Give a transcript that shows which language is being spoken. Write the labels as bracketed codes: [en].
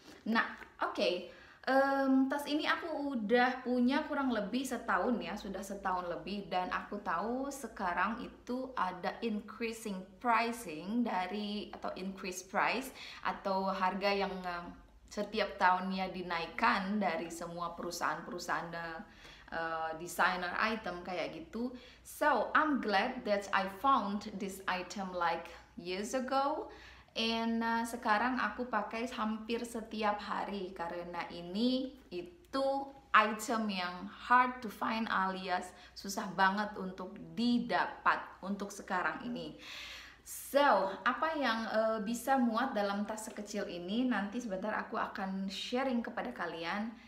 [id] Nah, oke, tas ini aku udah punya kurang lebih setahun ya, sudah setahun lebih, dan aku tahu sekarang itu ada [en] increasing pricing [id] dari atau [en] increase price [id] atau harga yang setiap tahunnya dinaikkan dari semua perusahaan-perusahaan designer item kayak gitu. [en] So, I'm glad that I found this item like years ago. [id] And sekarang aku pakai hampir setiap hari karena ini itu item yang [en] hard to find [id] alias susah banget untuk didapat untuk sekarang ini. So, apa yang bisa muat dalam tas sekecil ini nanti sebentar aku akan sharing kepada kalian.